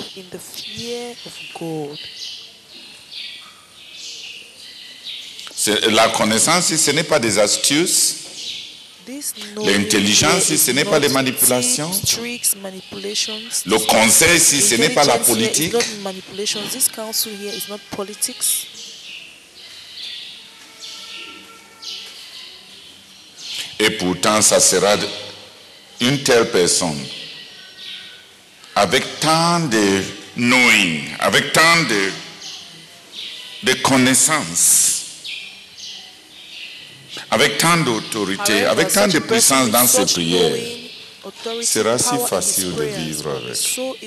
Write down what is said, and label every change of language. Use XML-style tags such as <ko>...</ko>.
<en>In the fear of God.</en> <fr>C'est la connaissance, ce n'est pas des astuces. L'intelligence, ce n'est pas des manipulations.</fr> <en>Manipulations.</en> <fr>Le conseil, ce n'est pas la politique.</fr> <en>This council here is not politics.</en> <fr>Et pourtant, ça sera une telle personne avec tant de knowing, avec tant de connaissances, avec tant d'autorité, avec tant de puissance dans ses prières, sera si facile de vivre avec.</fr>